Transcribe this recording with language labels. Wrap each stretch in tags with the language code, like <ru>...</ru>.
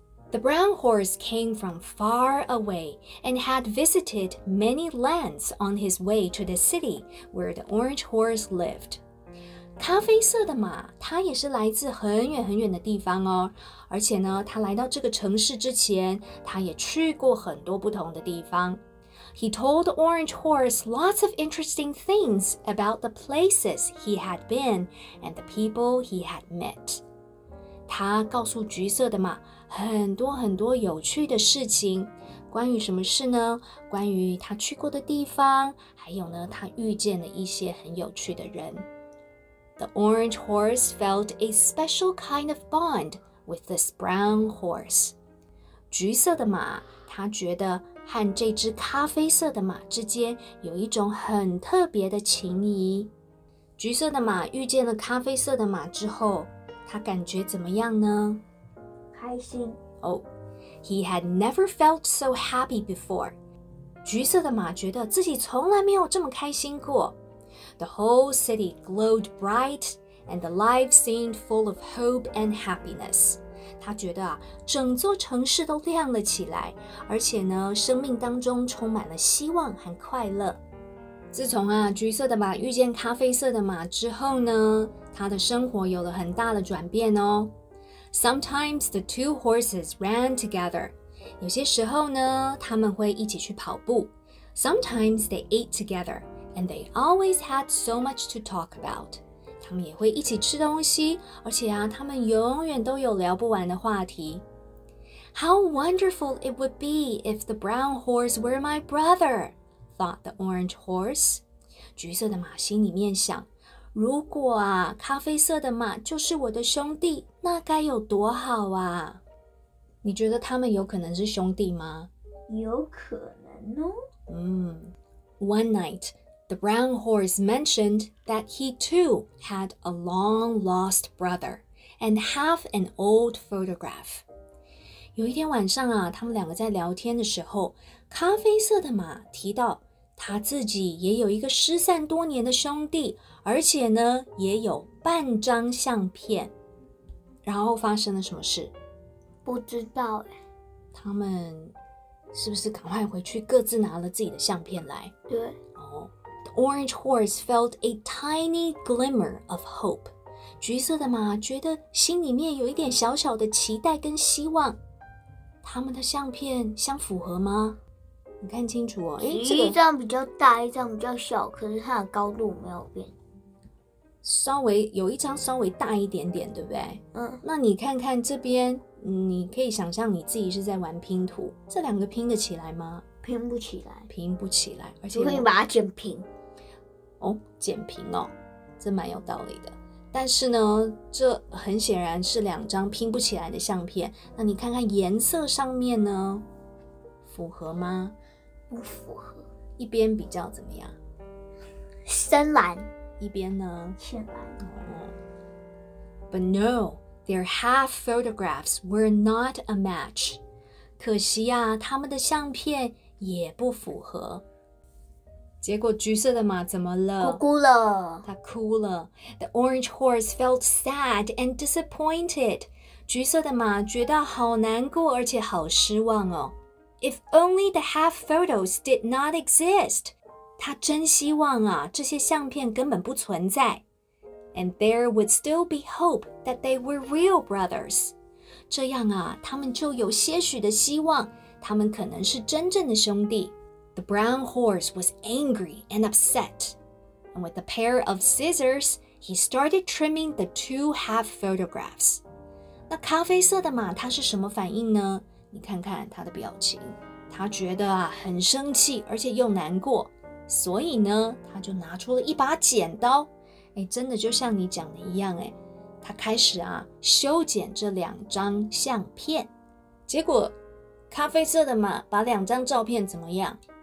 <en>The brown horse came from far away and had visited many lands on his way to the city where the orange horse lived.</en> <zh>咖啡色的马，它也是来自很远很远的地方哦。而且呢，它来到这个城市之前，它也去过很多不同的地方。</zh> <en>He told the orange horse lots of interesting things about the places he had been and the people he had met.</en> <zh>他告诉橘色的马很多很多有趣的事情，关于什么事呢？关于他去过的地方，还有呢，他遇见了一些很有趣的人。</zh> <en>The orange horse felt a special kind of bond with this brown horse.</en> <zh>橘色的马，他觉得和这只咖啡色的马之间有一种很特别的情谊。橘色的马遇见了咖啡色的马之后，他感觉怎么样呢？开心。</zh> <en>Oh, he had never felt so happy before.</en> <zh>橘色的马觉得自己从来没有这么开心过。</zh> <en>The whole city glowed bright, and the life seemed full of hope and happiness.</en> <zh>他觉得啊，整座城市都亮了起来，而且呢，生命当中充满了希望和快乐。自从啊，橘色的马遇见咖啡色的马之后呢，他的生活有了很大的转变哦。</zh> <en>Sometimes the two horses ran together.</en> <zh>有些时候呢，他们会一起去跑步。</zh> <en>Sometimes they ate together. and they always had so much to talk about.</en> <zh>他们也会一起吃东西，而且啊，他们永远都有聊不完的话题。</zh> <en>How wonderful it would be if the brown horse were my brother, thought the orange horse.</en> <zh>橘色的马心里面想，如果啊，咖啡色的马就是我的兄弟，那该有多好啊！你觉得他们有可能是兄弟吗？有可能哦。</zh> <en>One night, the brown horse mentioned that he too had a long-lost brother and half an old photograph.</en> <zh>有一天晚上啊，他们两个在聊天的时候，咖啡色的马提到他自己也有一个失散多年的兄弟，而且呢，也有半张相片。然后发生了什么事？不知道。他们是不是赶快回去各自拿了自己的相片来？对。</zh> <en>The orange horse felt a tiny glimmer of hope.</en> <zh>橘色的马觉得心里面有一点小小的期待跟希望。他们的相片相符合吗？你看清楚哦，一张比较大，一张比较小，可是它的高度没有变。稍微有一张稍微大一点点，对不对？嗯。那你看看这边，你可以想象你自己是在玩拼图，这两个拼得起来吗？拼不起来，拼不起来，而且可以把它剪平。哦，剪平哦，这蛮有道理的。但是呢，这很显然是两张拼不起来的相片。那你看看颜色上面呢，符合吗？不符合。一边比较怎么样？深蓝。一边呢？浅蓝。哦。</zh> <en>But no, their half photographs were not a match.</en> <zh>可惜啊，他们的相片也不符合。结果橘色的马怎么了？哭了。他哭了。</zh> <en>The orange horse felt sad and disappointed.</en> <zh>橘色的马觉得好难过而且好失望哦。</zh> <en>If only the half photos did not exist.</en> <zh>他真希望啊，这些相片根本不存在。</zh> <en>And there would still be hope that they were real brothers.</en> <zh>这样啊，他们就有些许的希望，他们可能是真正的兄弟。</zh> <en>The brown horse was angry and upset. And with a pair of scissors, he started trimming the two half photographs.</en> <zh>那咖啡色的马他是什么反应呢？你看看他的表情，他觉得啊很生气，而且又难过。所以呢，他就拿出了一把剪刀。哎，真的就像你讲的一样，哎。他开始啊修剪这两张相片，结果咖啡色的马把两张照片怎么样？</zh>